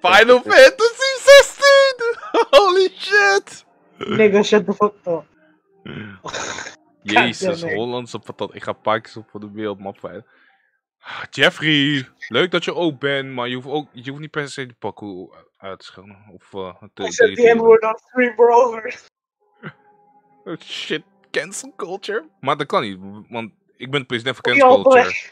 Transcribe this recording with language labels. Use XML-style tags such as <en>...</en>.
<en>Final Fantasy 16! Holy shit! Nigga, shut the fuck up.</en> <nl>Jezus, Hollandse patat. Ik ga pakjes op voor de wereldmap. Jeffrey, leuk dat je ook bent, maar je hoeft niet per se de pakken uit te schelden.</nl> <en>I said the N-word on three brothers. Shit, cancel culture?</en> <nl>Maar dat kan niet, want ik ben de president van cancel culture.</nl>